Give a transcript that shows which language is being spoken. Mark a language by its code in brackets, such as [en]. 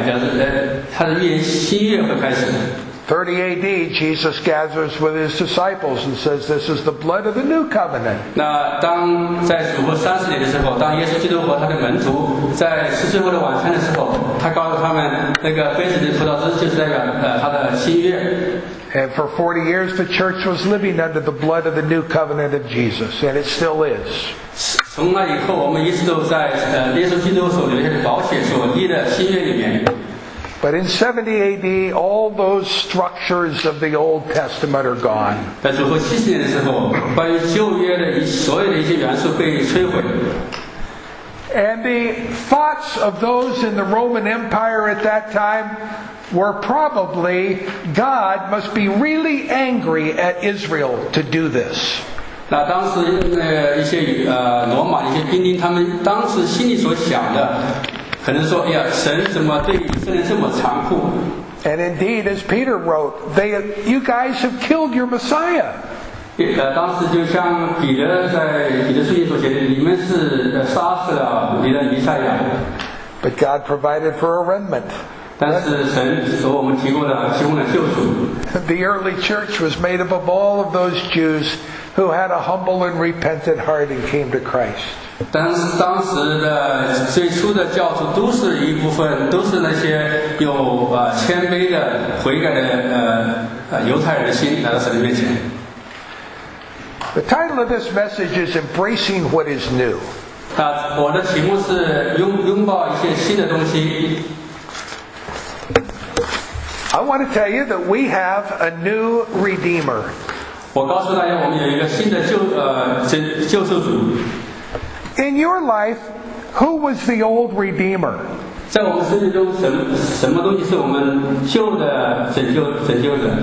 [zh] 当摩西写到十诫的时候，是表示旧约的开始。那杰尔玛这个先知所预言的时候是600年，表示他的预言新约会开始。 [en] 30 AD, Jesus gathers with his disciples and says, this is the blood of the new covenant. [zh] 那当在主后30年的时候，当耶稣基督和他的门徒在十字架的晚餐的时候，他告诉他们那个杯子里葡萄汁就是代表他的新约。 [en] And for 40 years, the church was living under the blood of the new covenant of Jesus, and it still is. [zh] 从那以后，我们一直都在耶稣基督所留下的宝血所立的新约里面。 [en] But in 70 AD, all those structures of the Old Testament are gone. [zh] 在主后七十年的时候，关于旧约的所有的一些元素被摧毁。 [en] And the thoughts of those in the Roman Empire at that time were probably, God must be really angry at Israel to do this. [zh] 那当时一些罗马一些兵丁，他们当时心里所想的。可能说，哎呀，神怎么对以色列这么残酷 [en] ？And indeed, as Peter wrote, they, you guys have killed your Messiah. [zh] 当时就像彼得在彼得书信所写的，你们是杀死了你的弥赛亚。 [en] But God provided for a remnant. [zh] 但是神所我们提供了救赎。 [en] The early church was made up of all of those Jews who had a humble and repentant heart and came to Christ. [zh] 当时的最初的教徒都是一部分，都是那些有谦卑的悔改的犹太人的心来到神面前。 [en] The title of this message is Embracing What Is New. [zh] 我的题目是拥抱一些新的东西。 [en] I want to tell you that we have a new Redeemer. [zh] 我告诉大家，我们有一个新的救赎主。 [en] In your life, who was the old Redeemer? [zh] 在我们生命中，什么东西是我们旧的拯救者？